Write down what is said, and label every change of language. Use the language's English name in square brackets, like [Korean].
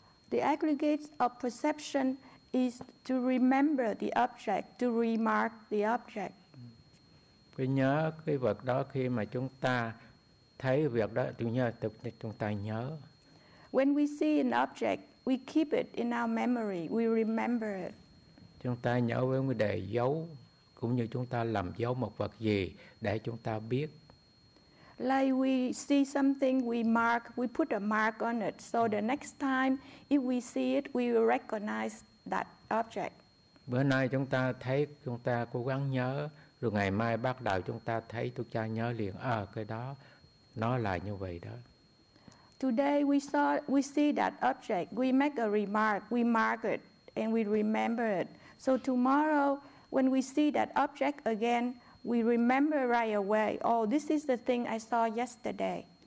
[English] The aggregate of perception is to remember the object, to remark the object. [Vietnamese] Cái nhớ cái vật đó khi mà chúng ta thấy việc đó, chúng ta nhớ. [English] When we see an object, we keep it in our memory, we remember it. [Vietnamese] Chúng ta nhớ với một đề dấu, cũng như chúng ta làm dấu một vật gì để chúng ta biết. [English] Like we see something, we mark, we put a mark on it. So the next time, if we see it, we will recognize that object. [Vietnamese] Bữa nay chúng ta thấy, chúng ta cố gắng nhớ, rồi ngày mai bắt đầu chúng ta thấy, chúng ta nhớ liền, cái đó, nó là như vậy đó. [English] Today we see that object, we make a remark, we mark it, and we remember it. So tomorrow, when we see that object again, we remember right away, oh, this is the thing I saw yesterday.